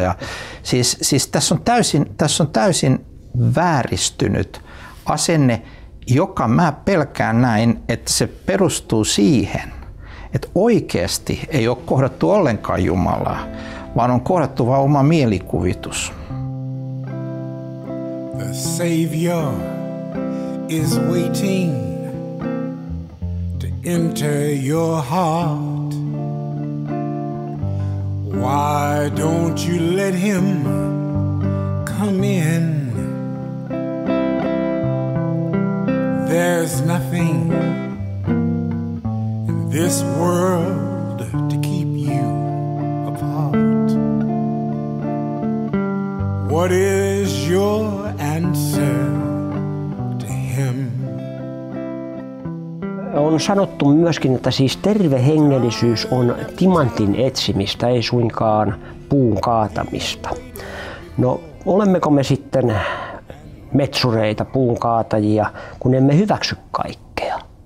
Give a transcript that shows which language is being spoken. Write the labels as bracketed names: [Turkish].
[Finnish] Ja siis tässä on täysin vääristynyt asenne, joka mä pelkään näin, että se perustuu siihen, että oikeasti ei ole kohdattu ollenkaan Jumalaa, vaan on kohdattu vain oma mielikuvitus. [English] The Savior is waiting to enter your heart. Why don't you let him come in? There's nothing in this world to keep you apart. What is your answer to him? [Finnish] On sanottu myöskin, että siis terve hengellisyys on timantin etsimistä, ei suinkaan puun kaatamista. No, olemmeko me sitten metsureita, puun kaatajia, kun emme hyväksy kaikkea?